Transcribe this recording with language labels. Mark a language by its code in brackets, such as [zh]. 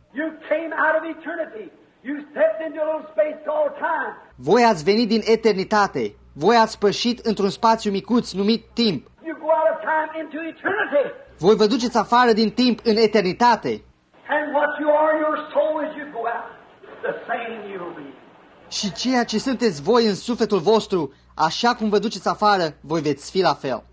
[en] You came out of eternity. You stepped into a little space called time. [ro] Voi ați venit din eternitate. Voi ați pășit într-un spațiu micuț numit timp. [en] You go out of time into eternity. [ro] Voi vă duceți afară din timp în eternitate. [en] And what you are, your soul as you go out, the same you will be. [ro] Și ceea ce sunteți voi în sufletul vostru, așa cum vă duceți afară, voi veți fi la fel.